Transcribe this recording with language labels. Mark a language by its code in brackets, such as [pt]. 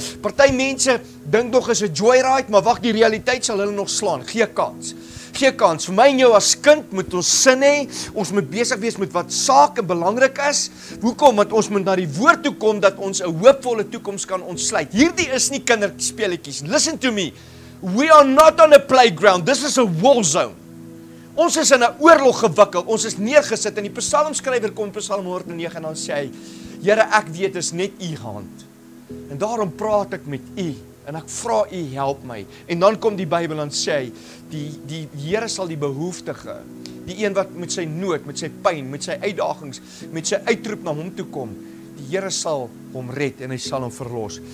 [af] Party mense dink nog is 'n joyride, maar wag, die realiteit sal hulle nog slaan, gee kans, vir my en jou as kind moet ons sin hê, ons moet besig wees met wat sake belangrik is. Hoekom? Want ons moet na die woord toe kom dat ons 'n hoopvolle toekoms kan ontsluit. Hierdie is nie kinderspeletjies. [en] Listen to me, we are not on a playground, this is a war zone. [af] Ons is in 'n oorlog gewikkeld, ons is neergesit, en die psalmskrywer kom Psalm 109 en dan sê hy: "Here, ek weet is net U hand, en daarom praat ek met U, en ek vra U help my." En dan kom die Bybel en sê hy, die Here sal die behoeftige, die een wat met sy nood, met sy pyn, met sy uitdagings, met sy uitroep na hom toe kom, die Here sal hom red en hy sal hom verlos.